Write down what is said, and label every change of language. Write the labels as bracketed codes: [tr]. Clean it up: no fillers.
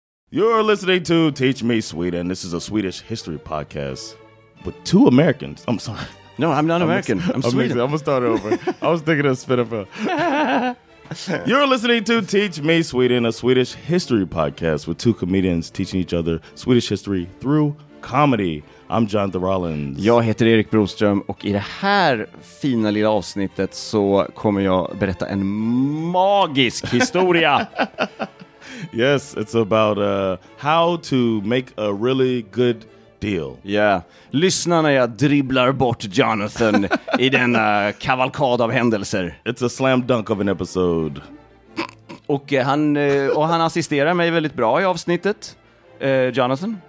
[en] You're listening to Teach Me Sweden. This is a Swedish history podcast with two Americans. I'm sorry. No, I'm not American. I'm Swedish. I'm going to start over. I was thinking of Spinoff. You're listening to Teach Me Sweden, a Swedish history podcast with two comedians teaching each other Swedish history through comedy. I'm Jonathan Rollins. [sv] Jag heter Erik Broström och i det här fina lilla avsnittet så kommer jag berätta en magisk historia. [en] Yes, it's about how to make a really good deal. [sv] Yeah, lyssna när jag dribblar bort Jonathan i den kavalkad av händelser. [en] It's a slam dunk of an episode. [sv] Och han assisterar mig väldigt bra i avsnittet, Jonathan.